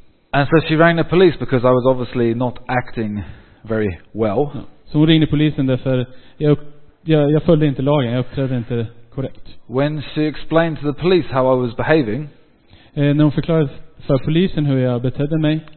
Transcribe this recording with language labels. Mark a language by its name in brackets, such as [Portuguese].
[English] And so she rang the police because I was obviously not acting very well. [Swedish] Så hon ringde polisen därför jag följde inte lagen, jag uppträdde inte korrekt. [English] When she explained to the police how I was behaving. [Swedish] När hon förklarade för polisen hur jag betedde mig.